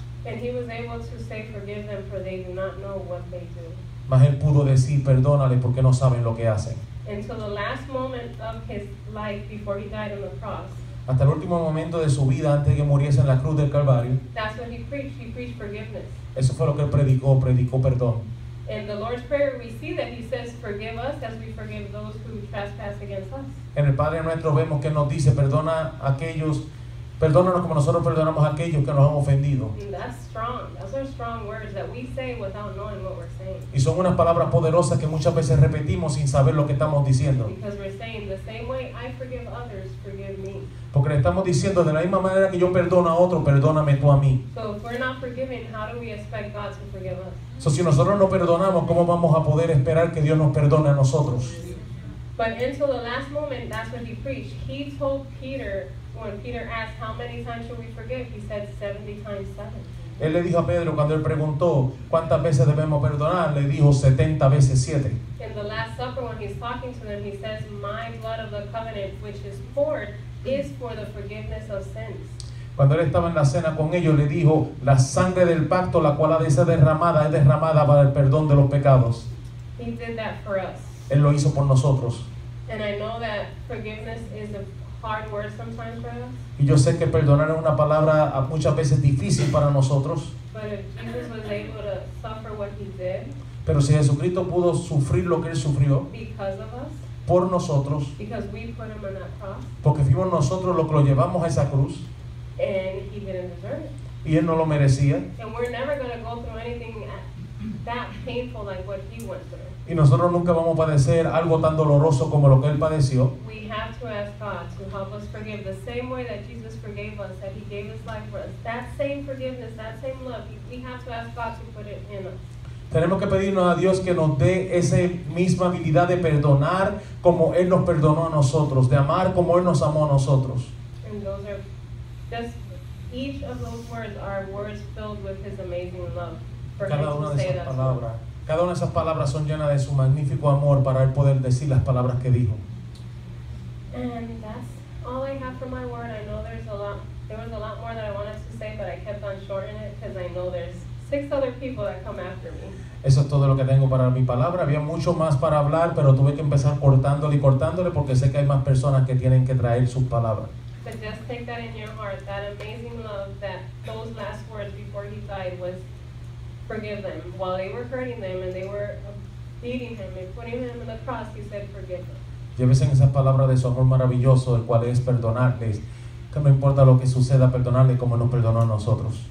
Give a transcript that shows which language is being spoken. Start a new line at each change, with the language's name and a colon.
English: And he was able to say, forgive them, for they do not know what they do.
Spanish: Mas él pudo decir, perdónale, porque no saben lo que hacen.
English: Until the last moment of his life before he died on the cross.
Spanish: Hasta el último momento de su vida antes de que muriese en la cruz del Calvario.
English: That's what he preached forgiveness.
Spanish: Eso fue lo que él predicó, predicó perdón.
English: In the Lord's Prayer we see that he says, forgive us as we forgive those who trespass against us.
Spanish: En el Padre Nuestro vemos que nos dice, perdona a aquellos, perdónanos como nosotros perdonamos a aquellos que nos han ofendido.
English: That's strong. Those are strong words that we say without knowing what we're saying.
Spanish: Y son unas palabras poderosas que muchas veces repetimos sin saber lo que estamos diciendo.
English: Because we're saying the same way I forgive others, forgive me.
Spanish: Porque le estamos diciendo de la misma manera que yo perdono a otro, perdóname tú a mí.
English: So if we're not forgiving, how do we expect God to forgive us?
Spanish: So si nosotros no perdonamos, ¿cómo vamos a poder esperar que Dios nos perdone a nosotros?
English: But until the last moment, that's what he preached. He told Peter, when Peter asked, how many times should we forgive? He said, 70 times 7.
Spanish: Él le dijo a Pedro, cuando él preguntó, ¿cuántas veces debemos perdonar? Le dijo, 70 veces 7.
English: In the last supper, when he's talking to them, he says, my blood of the covenant, which is poured, is for the forgiveness of sins.
Spanish: Cuando él estaba en la cena con ellos, le dijo, la sangre del pacto, la cual ha de ser derramada, es derramada para el perdón de los pecados.
English: He did that for us.
Spanish: Él lo hizo por nosotros.
English: And I know that forgiveness is a hard word sometimes for us.
Spanish: Y yo sé que perdonar es una palabra muchas veces difícil para nosotros.
English: But if Jesus was able to suffer what he did,
Spanish: pero si Jesucristo pudo sufrir lo que él sufrió,
English: because of us,
Spanish: por nosotros,
English: because we put him on that cross,
Spanish: porque fuimos nosotros los que lo llevamos a esa cruz,
English: and he didn't deserve it.
Spanish: Y él no lo merecía.
English: And we're never gonna go through anything that painful like what he went through.
Spanish: Y nosotros nunca vamos a padecer algo tan doloroso como lo que él padeció.
English: We have to ask God to help us forgive the same way that Jesus forgave us, that he gave his life for us. That same forgiveness, that same love, we have to ask God to put it in us.
Spanish: Tenemos que pedirnos a Dios que nos dé esa misma habilidad de perdonar como él nos perdonó a nosotros, de amar como él nos amó a nosotros.
English: And those are just, each of those words are words filled with his amazing love. For
Spanish: cada una de esas palabras. Cada una de esas palabras son llenas de su magnífico amor para él poder decir las palabras que dijo.
English: And that's all I have for my word. I know there was a lot more that I wanted to say, but I kept on shortening it because I know there's 6 other people that come after me.
Spanish: Eso es todo lo que tengo para mi palabra. Había mucho más para hablar, pero tuve que empezar cortándole porque sé que hay más personas que tienen que traer sus palabras.
English: But just take that in your heart, that amazing love, that those last words before he died was forgive them. While they were hurting them and they were beating him and putting him on the cross, he said, forgive them.
Spanish: Llévese esa palabra de su amor maravilloso, el cual es perdonarles. Que no importa lo que suceda, perdonarles como nos perdonó a nosotros.